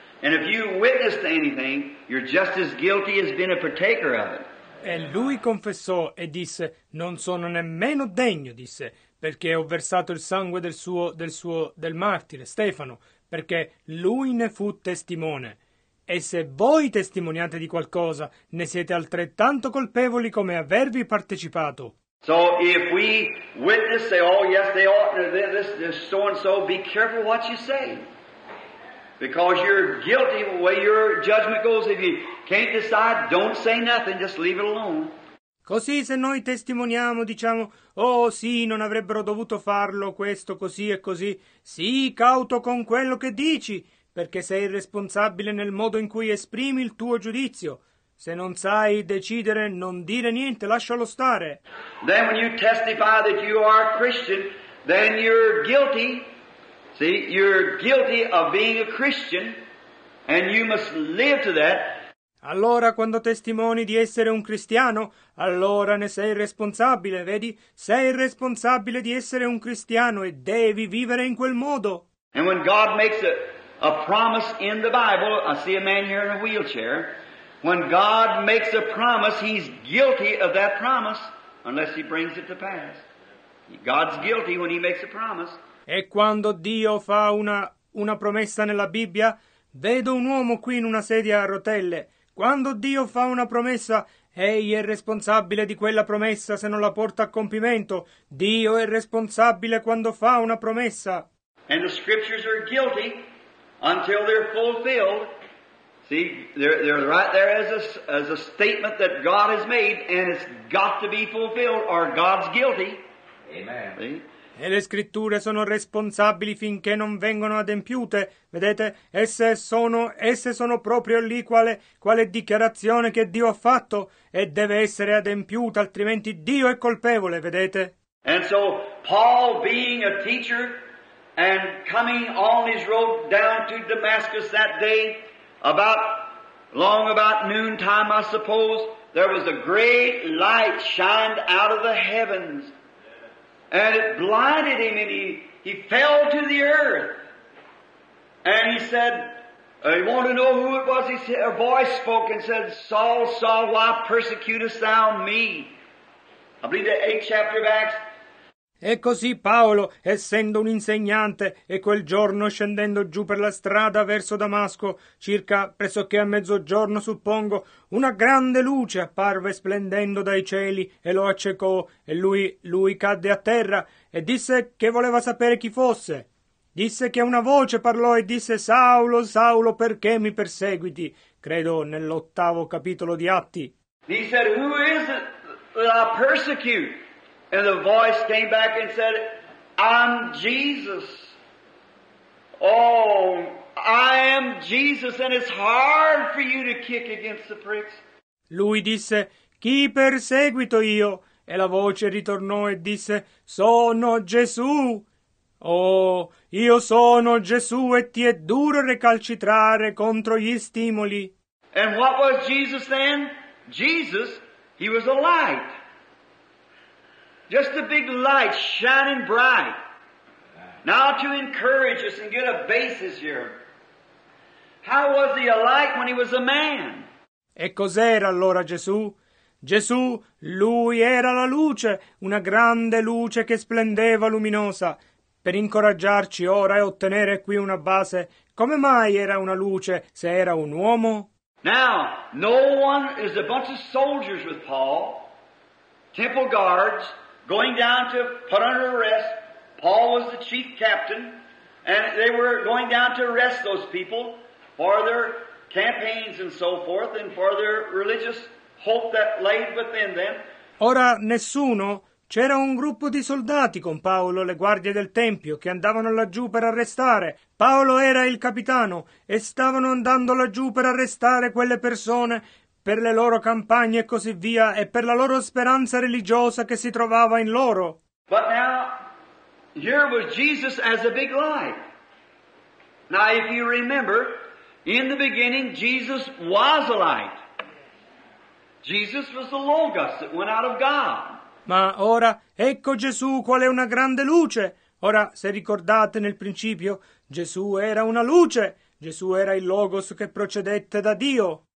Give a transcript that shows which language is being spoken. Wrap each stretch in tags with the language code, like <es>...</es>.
<en>And if you witness to anything, you're just as guilty as being a partaker of it.</en> <it>E lui confessò e disse, non sono nemmeno degno, disse, perché ho versato il sangue del martire, Stefano, perché lui ne fu testimone. E se voi testimoniate di qualcosa, ne siete altrettanto colpevoli come avervi partecipato.</it> <en>So if we witness, say, oh yes, they ought to do this, this, so and so, be careful what you say. Because you're guilty the way your judgment goes. If you can't decide, don't say nothing, just leave it alone.</en> <it>Così se noi testimoniamo, diciamo, oh sì, non avrebbero dovuto farlo, questo, così e così, sii cauto con quello che dici, perché sei responsabile nel modo in cui esprimi il tuo giudizio. Se non sai decidere, non dire niente, lascialo stare.</it> <en>Then when you testify that you are a Christian, then you're guilty. See, you're guilty of being a Christian, and you must live to that.</en> <it>Allora, quando testimoni di essere un cristiano, allora ne sei responsabile, vedi? Sei responsabile di essere un cristiano e devi vivere in quel modo.</it> <en>And when God makes a promise in the Bible. I see a man here in a wheelchair. When God makes a promise, he's guilty of that promise unless he brings it to pass. God's guilty when he makes a promise.</en> <it>E quando Dio fa una promessa nella Bibbia, vedo un uomo qui in una sedia a rotelle. Quando Dio fa una promessa, egli è responsabile di quella promessa se non la porta a compimento. Dio è responsabile quando fa una promessa.</it> <en>And the scriptures are guilty until they're fulfilled. See, they're right there as a statement that God has made, and it's got to be fulfilled, or God's guilty. Amen.</en> <it>E le scritture sono responsabili finché non vengono adempiute. Vedete, esse sono proprio lì quale dichiarazione che Dio ha fatto e deve essere adempiuta, altrimenti Dio è colpevole, vedete?</it> <en>And so Paul, being a teacher, and coming on his road down to Damascus that day, about noontime, I suppose, there was a great light shined out of the heavens, and it blinded him, and he fell to the earth. And he said, he wanted to know who it was. He said, a voice spoke and said, Saul, Saul, why persecutest thou me? I believe the 8th chapter of Acts.</en> <it>E così Paolo, essendo un insegnante, e quel giorno scendendo giù per la strada verso Damasco, circa pressoché a mezzogiorno, suppongo, una grande luce apparve splendendo dai cieli e lo accecò, e lui cadde a terra e disse che voleva sapere chi fosse. Disse che una voce parlò e disse, Saulo, Saulo, perché mi perseguiti? Credo nell'ottavo capitolo di Atti.</it> <en>He said, who is it that I persecute? And the voice came back and said, I'm Jesus. Oh, I am Jesus, and it's hard for you to kick against the pricks.</en> <it>Lui disse, chi perseguito io? E la voce ritornò e disse, sono Gesù. Oh, io sono Gesù, e ti è duro recalcitrare contro gli stimoli.</it> <en>And what was Jesus then? Jesus, he was a light. Just a big light shining bright. Now to encourage us and get a basis here. How was he a light when he was a man?</en> <it>E cos'era allora Gesù? Gesù, lui era la luce, una grande luce che splendeva luminosa. Per incoraggiarci ora e ottenere qui una base, come mai era una luce se era un uomo?</it> <en>Now, no one is a bunch of soldiers with Paul, temple guards, going down to put under arrest. Paul was the chief captain, and they were going down to arrest those people for their campaigns and so forth, and for their religious hope that lay within them.</en> <it>Ora nessuno, c'era un gruppo di soldati con Paolo, le guardie del tempio, che andavano laggiù per arrestare. Paolo era il capitano, e stavano andando laggiù per arrestare quelle persone per le loro campagne e così via, e per la loro speranza religiosa che si trovava in loro.</it> <en>But now, here was Jesus as a big light. Now, if you remember, in the beginning, Jesus was a light. Jesus was the Logos that went out of God.</en> <it>Ma ora, ecco Gesù, qual è una grande luce. Ora, se ricordate, nel principio, Gesù era una luce. Gesù era il Logos che procedette da Dio.</it>